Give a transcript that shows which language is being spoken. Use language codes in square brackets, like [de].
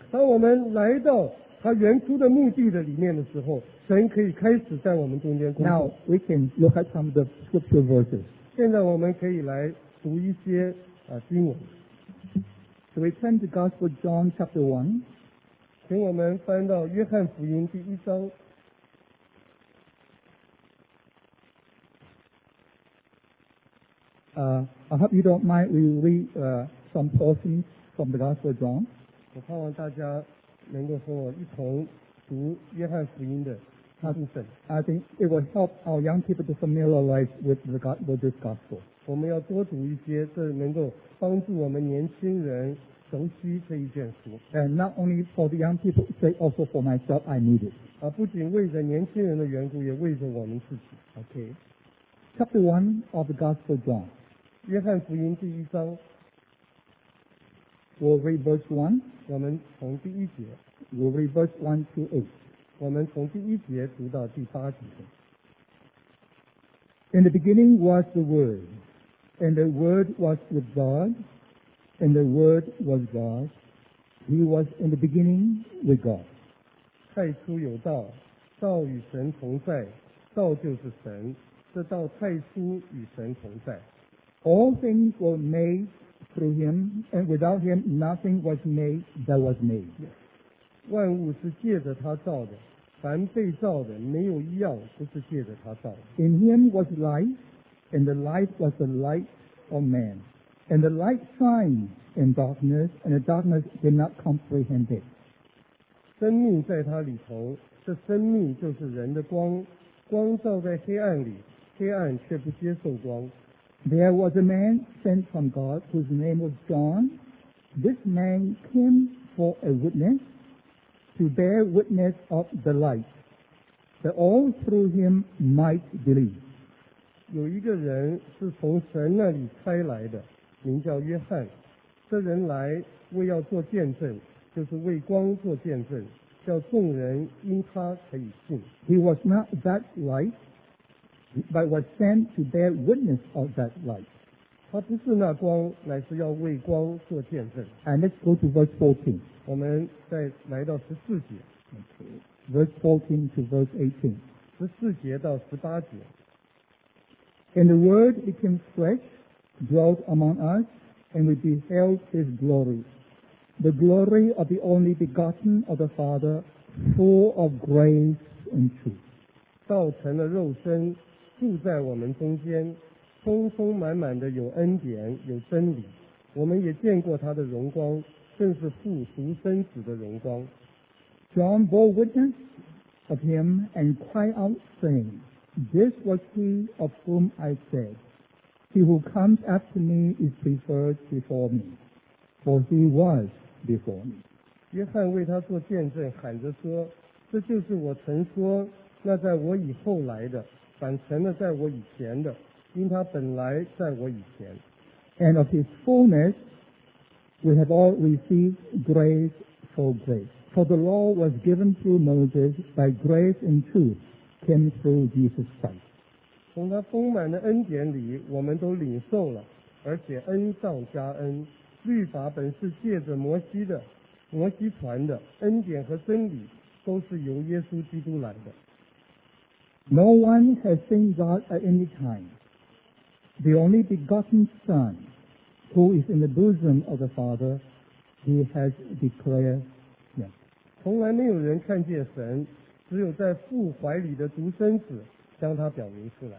[zh] 当我们来到他原初的目的的里面的时候，神可以开始在我们中间工作。 [en] Now we can look at some of the scripture verses. [zh] 现在我们可以来读一些经文。 [en] So we turn to Gospel John chapter 1. [zh] 请我们翻到约翰福音第一章。 [en] I hope you don't mind we read some portions from the Gospel of John. [zh] 我盼望大家能够和我一同读约翰福音的部分。 [en] I think it will help our young people to familiarize with this Gospel. [zh] 我们要多读一些，这能够帮助我们年轻人熟悉这一卷书。 [en] And not only for the young people, but also for myself, I need it. [zh] 不仅为着年轻人的缘故，也为着我们自己。 [en] Okay. Chapter 1 of the Gospel of John. [zh] 约翰福音第一章。 [en] We'll read verse 1. [zh] 我们从第一节。 [en] We'll read verse 1 to 8. [zh] 我们从第一节读到第八节。 [en] In the beginning was the Word, and the Word was with God, and the Word was God. He was in the beginning with God. [zh] 太初有道，道与神同在，道就是神。这道太初与神同在。 [en] All things were made through him, and without him nothing was made that was made. [zh] 万物是借着他造的，凡被造的没有一样不是借着他造的。 [en] In him was life, and the life was the light of man. And the light shines in darkness, and the darkness did not comprehend it. [zh] 生命在他里头，这生命就是人的光，光照在黑暗里，黑暗却不接受光。 [en] There was a man sent from God whose name was John. This man came for a witness, to bear witness of the light, that all through him might believe. [zh] 有一个人是从神那里差来的，名叫约翰。这人来为要做见证，就是为光做见证，叫众人因他可以信。 [en] He was not that light, but was sent to bear witness of that light. [zh] 他不是那光，乃是要为光做见证。 [en] And let's go to verse 14. [zh] 我们再来到十四节。 [en] Okay. Verse 14 to verse 18. [zh] 十四节到十八节。 [en] And the Word became flesh, dwelt among us, and we beheld His glory. The glory of the only begotten of the Father, full of grace and truth. [zh] 道成了肉身，住在我们中间，充充满满的有恩典，有真理。我们也见过他的荣光，正是父独生子的荣光。 [en] John bore witness of him and cried out, saying,This was he of whom I said, He who comes after me is preferred before me, for he was before me. [zh] 约翰为他做见证，喊着说，这就是我曾说，那在我以后来的，反成了在我以前的，因他本来在我以前。 [en] And of his fullness, we have all received grace for grace. For the law was given through Moses by grace and truth. Came through Jesus Christ. [zh] 从他丰满的恩典里，我们都领受了，而且恩上加恩。律法本是借着摩西的，摩西传的，恩典和真理都是由耶稣基督来的。 [en] No one has seen God at any time. The only begotten Son, who is in the bosom of the Father, He has declared him. [zh] 从来没有人看见神。只有在父怀里的独生子将他表明出来。